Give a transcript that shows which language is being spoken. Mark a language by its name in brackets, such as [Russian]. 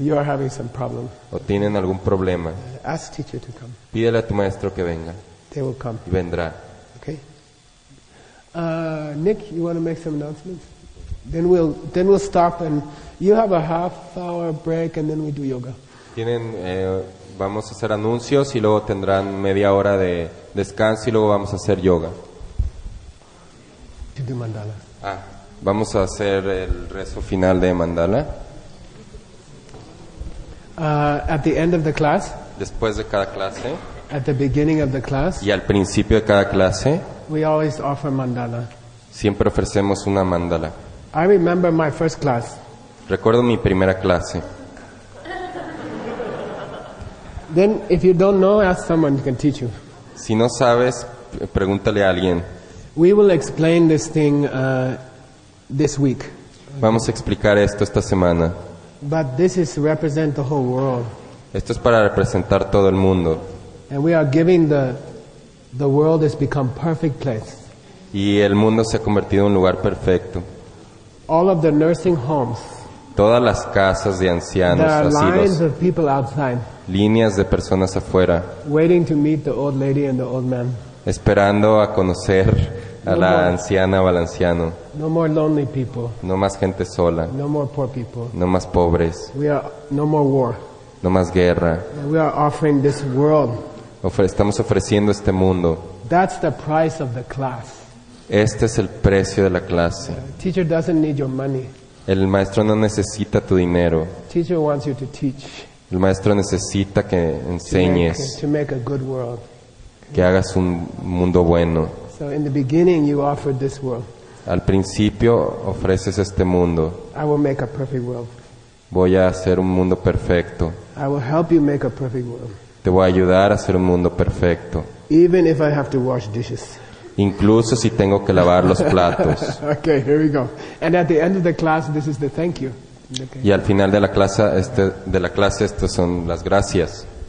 [English] You are having some problem. [Spanish] O tienen algún problema. [English] Ask teacher to come. [Spanish] Pídele a tu maestro que venga. [English] They will come. [Spanish] Y vendrá. [English] Okay. Nick, you want to make some announcements? Then we'll stop and you have a half hour break and then we do yoga. [Spanish] Tienen vamos a hacer anuncios y luego tendrán media hora de descanso y luego vamos a hacer yoga. [English] To do mandalas. [Spanish] Ah, vamos a hacer el rezo final de mandala. [English] At the end of the class. [Spanish] Después de cada clase. [English] At the beginning of the class. [Spanish] Y al principio de cada clase. [English] We always offer mandala. [Spanish] Siempre ofrecemos una mandala. [English] I remember my first class. [Spanish] Recuerdo mi primera clase. [English] Then, if you don't know, ask someone who can teach you. [Spanish] Si no sabes, pregúntale a alguien. [English] We will explain this thing this week. [Spanish] Vamos a explicar esto esta semana. [English] But this is to represent the whole world. [Spanish] Esto es para representar todo el mundo. [English] And we are giving the world has become perfect place. [Spanish] Y el mundo se ha convertido en un lugar perfecto. [English] All of the nursing homes. [Spanish] Todas las casas de ancianos, [English] there are [Spanish] asilos. [English] Lines of people outside. [Spanish] Líneas de personas afuera. [English] Waiting to meet the old lady and the old man. [Spanish] Esperando a conocer a [English] no [Spanish] la [English] more, [Spanish] anciana o al anciano. [English] No more lonely people. [Spanish] No más gente sola. [English] No more poor people. [Spanish] No más pobres. [English] We are no more war. [Spanish] No más guerra. [English] We are offering this world. [Spanish] Estamos ofreciendo este mundo. [English] That's the price of the class. [Spanish] Este es el precio de la clase. [English] Teacher doesn't need your money. [Spanish] El maestro no necesita tu dinero. [English] Teacher wants you to teach. [Spanish] El maestro necesita que enseñes. [English] To make a good world. [Spanish] Que hagas un mundo bueno. [English] So in the beginning you offered this world. [Spanish] Al principio ofreces este mundo. [English] I will make a perfect world. [Spanish] Voy a hacer un mundo perfecto. [English] I will help you make a perfect world. [Spanish] Te voy a ayudar a hacer un mundo perfecto. [English] Even if I have to wash dishes. [Spanish] Incluso si tengo que lavar los platos. [English] Okay, here we go. And at the end of the class, this is the thank you. [Spanish] Okay. Y al final de la clase, estas son las gracias.